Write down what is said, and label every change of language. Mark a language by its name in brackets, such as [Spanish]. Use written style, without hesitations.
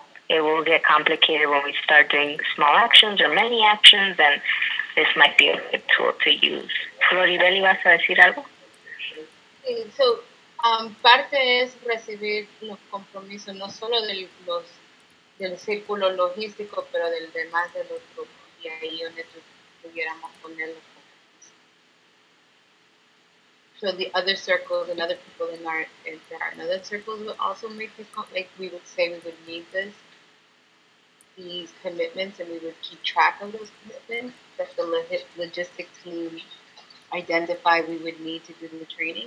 [English] It will get complicated when we start doing small actions or many actions, and this might be a good tool to use. [Spanish] Floribel, ¿vas a decir algo? Sí, so, parte es recibir los compromisos, no solo del círculo logístico, pero del demás de los grupos, y ahí donde pudiéramos poner los compromisos. [English] So the other circles and other people in our other circles will also make this, like we would say we would need this, these commitments, and we would keep track of those commitments that the logistics team identify we would need to do the training.